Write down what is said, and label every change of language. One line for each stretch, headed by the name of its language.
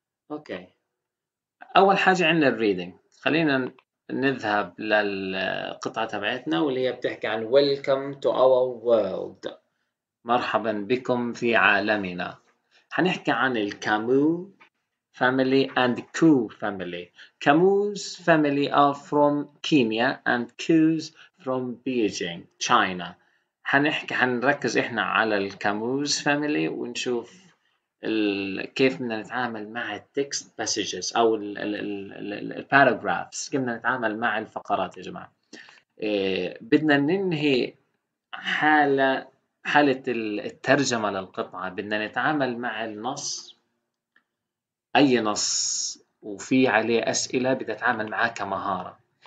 Arabic: اوكي، اول حاجة عندنا الريدنج. خلينا نذهب للقطعة تبعتنا واللي هي بتحكي عن
English: Welcome to our world،
Arabic: مرحبا بكم في عالمنا. هنحكي عن الكامو
English: family and
Arabic: كو family.
English: كاموز family are from Kenya and كوز from Beijing, China.
Arabic: هنركز احنا على الكاموز family ونشوف كيف بدنا نتعامل مع التكست باسجز او الباراجرافز، كيف بدنا نتعامل مع الفقرات يا جماعه. بدنا ننهي حاله الترجمه للقطعه، بدنا نتعامل مع النص، اي نص وفي عليه اسئله بدي اتعامل معاه كمهاره.